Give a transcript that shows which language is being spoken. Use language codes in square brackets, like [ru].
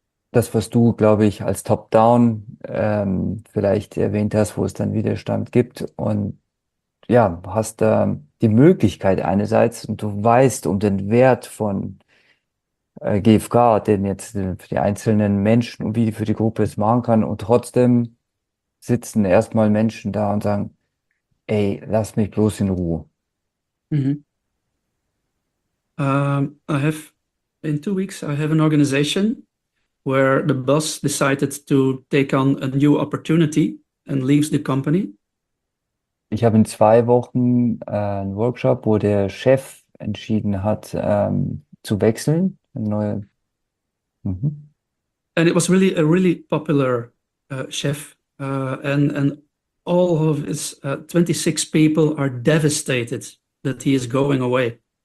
[de] Das, was du, glaube ich, als Top-Down vielleicht erwähnt hast, wo es dann Widerstand gibt und ja, hast da die Möglichkeit einerseits und du weißt um den Wert von GfK, den jetzt für die einzelnen Menschen und wie die für die Gruppe es machen kann und trotzdem sitzen erstmal Menschen da und sagen, ey, lass mich bloß in Ruhe. [en] I have in 2 weeks I have an organization where the boss decided to take on a new opportunity and leaves the company. [de] Ich habe in 2 Wochen einen Workshop, wo der Chef entschieden hat, zu wechseln. Eine neue. [en] And it was really a really popular chef. And all of his 26 people are devastated that he is going away.